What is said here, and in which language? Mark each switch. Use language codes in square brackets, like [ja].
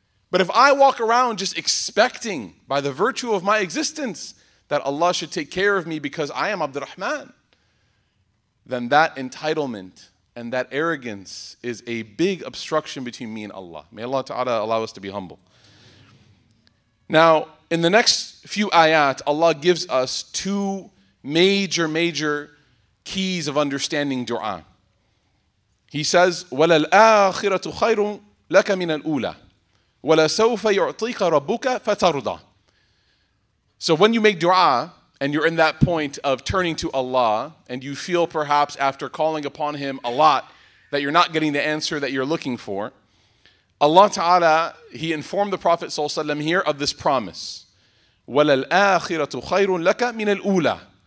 [en] But if I walk around just expecting, by the virtue of my existence, that Allah should take care of me because I am Abdurrahman, then that entitlement and that arrogance is a big obstruction between me and Allah. May Allah Ta'ala allow us to be humble. Now, in the next few ayat, Allah gives us two major, major keys of understanding dua. He says, [ar] وَلَلْآخِرَةُ خَيْرٌ لَكَ مِنَ الْأُولَى وَلَسَوْفَ يُعْطِيكَ رَبُّكَ فَتَرُضَى. [en] So when you make dua, and you're in that point of turning to Allah, and you feel perhaps after calling upon Him a lot, that you're not getting the answer that you're looking for, Allah Ta'ala, He informed the Prophet Sallallahu Alaihi Wasallam here of this promise. [ar] وَلَلْآخِرَةُ خَيْرٌ لَكَ مِنَ الْأُولَى.